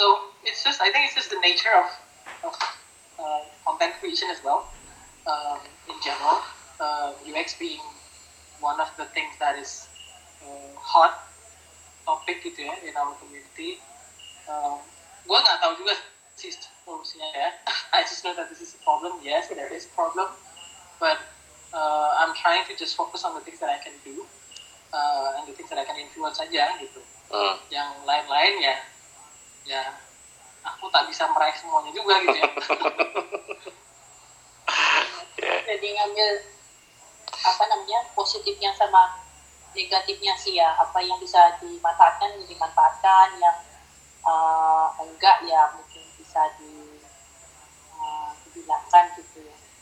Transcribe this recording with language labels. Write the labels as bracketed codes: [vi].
[en] So it's just, I think it's just the nature of content creation as well, in general, UX being one of the things that is hot topic [id] gitu ya [en] in our community. [id] Gue nggak tahu juga sih solusinya ya. [en] I just know that this is a problem. Yes, there is a problem, but I'm trying to just focus on the things that I can do and the things that I can influence aja gitu. [id] Yang lain-lain ya, ya aku tak bisa meraih semuanya juga gitu ya. Jadi ngambil apa namanya positifnya sama negatifnya sih ya, apa yang bisa dimanfaatkan dimanfaatkan, yang enggak ya mungkin bisa dibilangkan gitu ya.